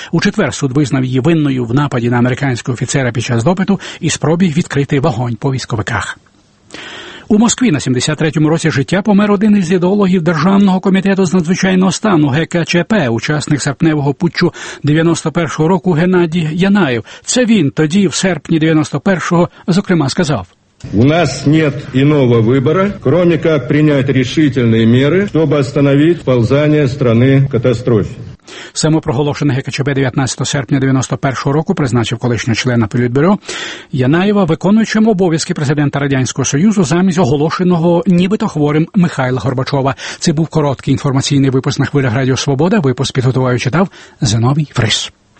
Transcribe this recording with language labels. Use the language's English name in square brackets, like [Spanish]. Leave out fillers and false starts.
[Ukrainian] У четвер суд визнав її винною в нападі на американського офіцера під час допиту і спробі відкрити вогонь по військовиках. У Москві на 73-му році життя помер один із ідеологів Державного комітету з надзвичайного стану ГКЧП, учасник серпневого путчу 91-го року Геннадій Янаєв. Це він тоді, в серпні 91-го, зокрема, сказав. [Russian] У нас нет иного выбора, кроме как принять решительные меры, чтобы остановить ползание страны в катастрофе. [Ukrainian] Самопроголошений ГКЧП 19 серпня 91-го року призначив колишнього члена Політбюро Янаєва виконуючим обов'язки президента Радянського Союзу замість оголошеного нібито хворим Михайла Горбачова. Це був короткий інформаційний випуск на хвилях Радіо Свобода. Випуск підготував і читав Зиновій Фріс.